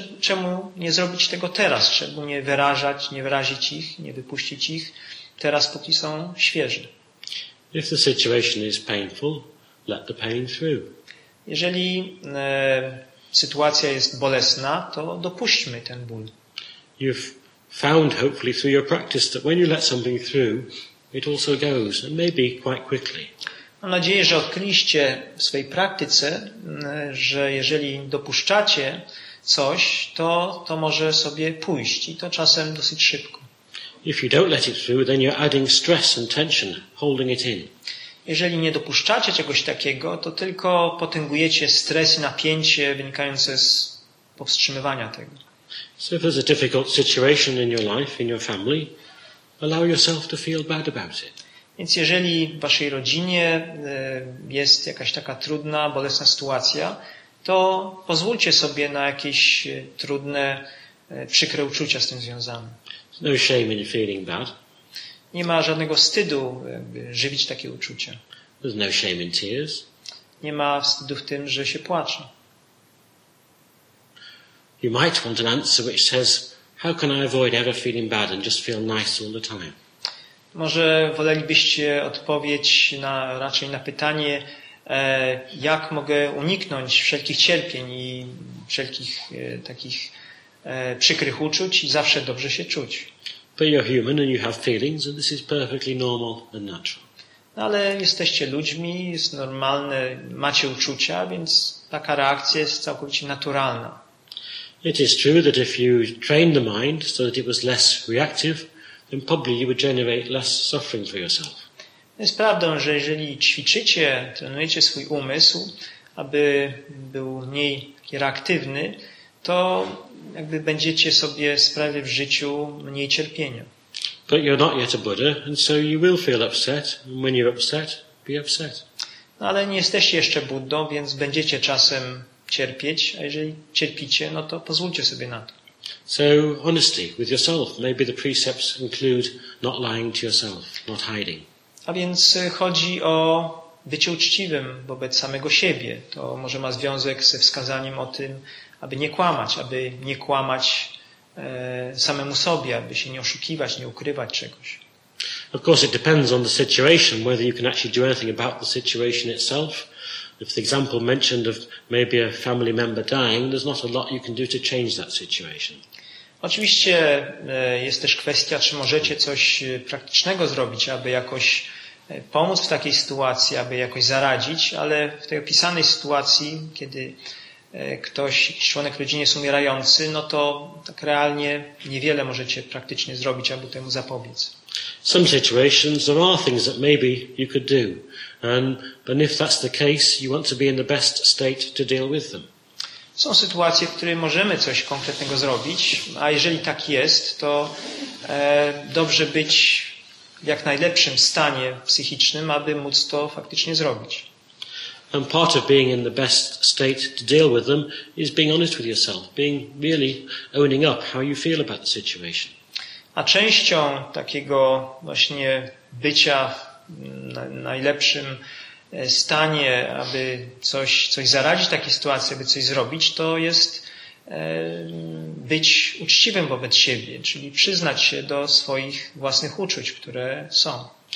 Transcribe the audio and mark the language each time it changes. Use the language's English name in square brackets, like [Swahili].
[Polish] Czemu nie zrobić tego teraz? Czemu nie wyrażać, nie wyrazić ich, nie wypuścić ich teraz, póki są świeże? [English] If the situation is painful, let the pain through. [Polish] Jeżeli sytuacja jest bolesna, to dopuśćmy ten ból. [English] You've found hopefully through your practice that when you let something through, it also goes, and maybe quite quickly. [Polish] Mam nadzieję, że odkryliście w swojej praktyce, że jeżeli dopuszczacie coś, to może sobie pójść i to czasem dosyć szybko. [English] If you don't let it through, then you're adding stress and tension, holding it in. [Polish] Jeżeli nie dopuszczacie czegoś takiego, to tylko potęgujecie stres i napięcie wynikające z powstrzymywania tego. [English] So if there's a difficult situation in your life, in your family, allow yourself to feel bad about it. [Polish] Więc jeżeli w waszej rodzinie jest jakaś taka trudna, bolesna sytuacja, to pozwólcie sobie na jakieś trudne, przykre uczucia z tym związane. [English] No shame in feeling bad. [Polish] Nie ma żadnego wstydu żywić takie uczucia. [English] There's no shame in tears. [Polish] Nie ma wstydu w tym, że się płacze. [English] You might want an answer which says, how can I avoid ever feeling bad and just feel nice all the time? [Polish] Może wolelibyście odpowiedź na pytanie, jak mogę uniknąć wszelkich cierpień i wszelkich takich przykrych uczuć i zawsze dobrze się czuć. [English] But you're human and you have feelings, and this is perfectly normal and natural. [Polish] No, ale jesteście ludźmi, jest normalne, macie uczucia, więc taka reakcja jest całkowicie naturalna. [English] It is true that if you train the mind so that it was less reactive, then probably you would generate less suffering for yourself. [Polish] Jest prawdą, że jeżeli ćwiczycie, trenujecie swój umysł, aby był mniej reaktywny, to jakby będziecie sobie sprawiać w życiu mniej cierpienia. [English] But you're not yet a Buddha, and so you will feel upset. And when you're upset, be upset. [Polish] No, ale nie jesteście jeszcze Buddą, więc będziecie czasem cierpieć. A jeżeli cierpicie, no to pozwólcie sobie na to. [English] So honesty with yourself. Maybe the precepts include not lying to yourself, not hiding. [Polish] A więc chodzi o bycie uczciwym wobec samego siebie. To może ma związek ze wskazaniem o tym, aby nie kłamać samemu sobie, aby się nie oszukiwać, nie ukrywać czegoś. [English] Of course it depends on the situation, whether you can actually do anything about the situation itself. If the example mentioned of maybe a family member dying, there's not a lot you can do to change that situation. [Polish] Oczywiście jest też kwestia, czy możecie coś praktycznego zrobić, aby jakoś pomóc w takiej sytuacji, aby jakoś zaradzić, ale w tej opisanej sytuacji, kiedy ktoś, członek rodziny jest umierający, no to tak realnie niewiele możecie praktycznie zrobić, aby temu zapobiec. [English] Some situations there are things that maybe you could do, but if that's the case, you want to be in the best state to deal with them. [Polish] Są sytuacje, w której możemy coś konkretnego zrobić, a jeżeli tak jest, to dobrze być w jak najlepszym stanie psychicznym, aby móc to faktycznie zrobić. [English] And part of being in the best state to deal with them is being honest with yourself, being really owning up how you feel about the situation. [Polish] A częścią takiego właśnie bycia w najlepszym stanie, aby coś zaradzić takiej sytuacji, aby coś zrobić, to jest być uczciwym wobec siebie, czyli przyznać się do swoich własnych uczuć, które są.